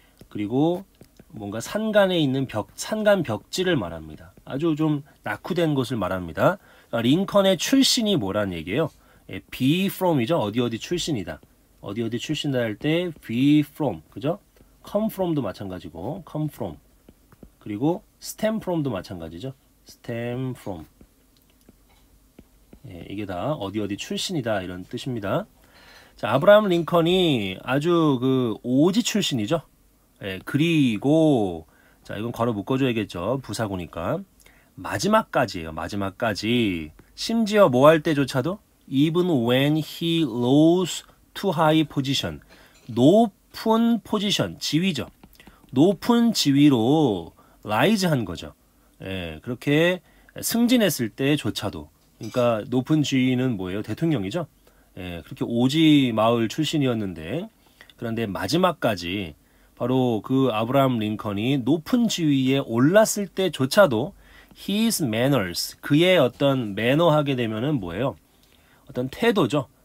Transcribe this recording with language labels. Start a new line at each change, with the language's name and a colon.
Korean: 그리고 뭔가 산간에 있는 산간 벽지를 말합니다. 아주 좀 낙후된 곳을 말합니다. 링컨의 출신이 뭐란 얘기예요? 예, be from이죠. 어디 출신이다. 어디 어디 출신다 할때 be from, 그죠? come from도 마찬가지고, come from. 그리고 stem from도 마찬가지죠. stem from. 예, 이게 다 어디 어디 출신이다 이런 뜻입니다. 자, 아브라함 링컨이 아주 그 오지 출신이죠. 예, 그리고 자, 이건 괄호 묶어줘야겠죠. 부사구니까. 마지막까지예요. 마지막까지. 심지어 뭐할 때조차도
English: even when he rose to high position.
Korean: 높은 포지션, 지위죠. 높은 지위로 라이즈 한 거죠. 예, 그렇게 승진했을 때조차도. 그러니까 높은 지위는 뭐예요? 대통령이죠. 예, 그렇게 오지 마을 출신이었는데, 그런데 마지막까지 바로 그 아브라함 링컨이 높은 지위에 올랐을 때조차도
English: his manners,
Korean: 그의 어떤 매너 하게 되면은 뭐예요? 어떤 태도죠.